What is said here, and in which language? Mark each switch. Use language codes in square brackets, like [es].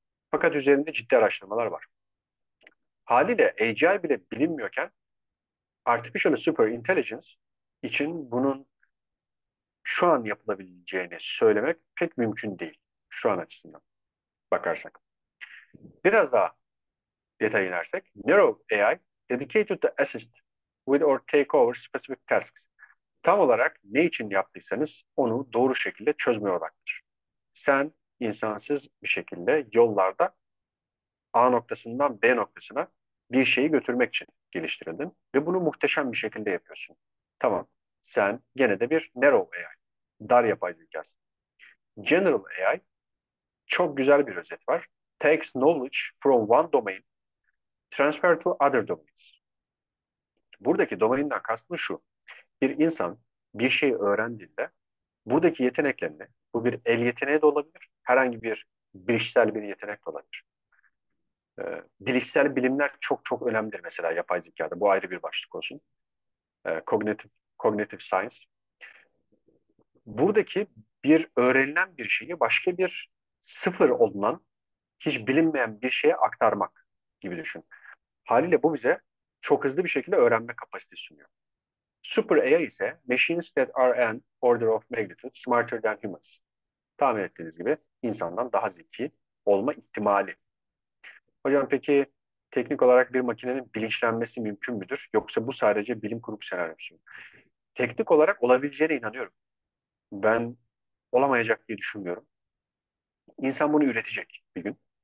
[tr] Fakat üzerinde ciddi araştırmalar var. Haliyle AGI bile bilinmiyorken Artificial Super Intelligence için bunun şu an yapılabileceğini söylemek pek mümkün değil şu an açısından bakarsak. Biraz daha detay inersek, [en] Neural AI dedicated to assist with or take over specific tasks. [tr] Tam olarak ne için yaptıysanız onu doğru şekilde çözmeye odaklanır. Sen insansız bir şekilde yollarda A noktasından B noktasına bir şeyi götürmek için geliştirildin ve bunu muhteşem bir şekilde yapıyorsun. Tamam, sen gene de bir narrow AI, dar yapay zekasın. General AI, çok güzel bir özet var. [en] Takes knowledge from one domain, transfer to other domains. [tr] Buradaki domainden kastım şu. Bir insan bir şey öğrendiğinde buradaki yeteneklerini, bu bir el yeteneği de olabilir, herhangi bir bilişsel bir yetenek de olabilir. Bilişsel bilimler çok çok önemlidir mesela yapay zekada. Bu ayrı bir başlık olsun. Cognitive science. Buradaki bir öğrenilen bir şeyi başka bir sıfır olunan, hiç bilinmeyen bir şeye aktarmak gibi düşün. Haliyle bu bize çok hızlı bir şekilde öğrenme kapasitesi sunuyor. [en] Super AI ise machines that are an order of magnitude smarter than humans. [tr] Tahmin ettiğiniz gibi insandan daha zeki olma ihtimali. Hocam peki teknik olarak bir makinenin bilinçlenmesi mümkün müdür? Yoksa bu sadece bilim kurgu senaryosu mu? Teknik olarak olabileceğine inanıyorum. Ben olamayacak diye düşünmüyorum. İnsan bunu üretecek bir gün.